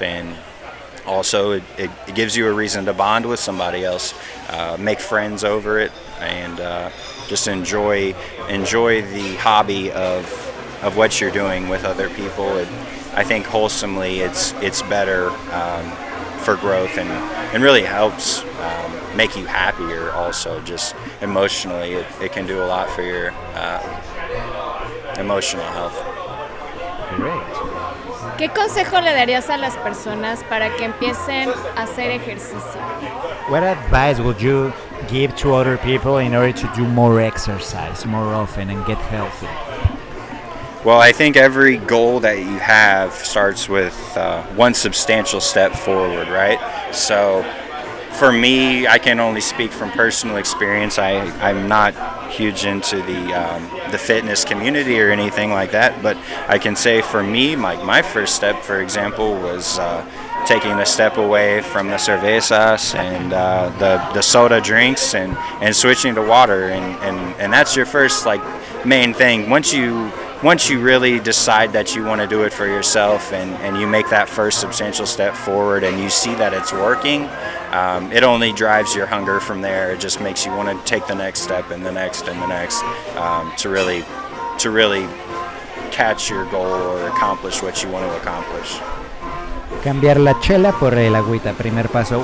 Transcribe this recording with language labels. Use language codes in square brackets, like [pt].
[en] And also, it gives you a reason to bond with somebody else, make friends over it, and just enjoy the hobby of what you're doing with other people. And I think wholesomely, it's better for growth, and really helps make you happier also, just emotionally. It can do a lot for your emotional health. Great. [es] ¿Qué consejo le darías a las personas para que empiecen a hacer ejercicio? [en] What advice would you give to other people in order to do more exercise more often and get healthy? Well, I think every goal that you have starts with one substantial step forward, right? So for me, I can only speak from personal experience. I'm not huge into the fitness community or anything like that, but I can say for me, my first step, for example, was taking a step away from the cervezas and the soda drinks and switching to water, and that's your first, like, main thing. Once you once you really decide that you want to do it for yourself and you make that first substantial step forward and you see that it's working, it only drives your hunger from there. It just makes you want to take the next step and the next and the next to really catch your goal or accomplish what you want to accomplish. [es] Cambiar la chela por el agüita, primer paso.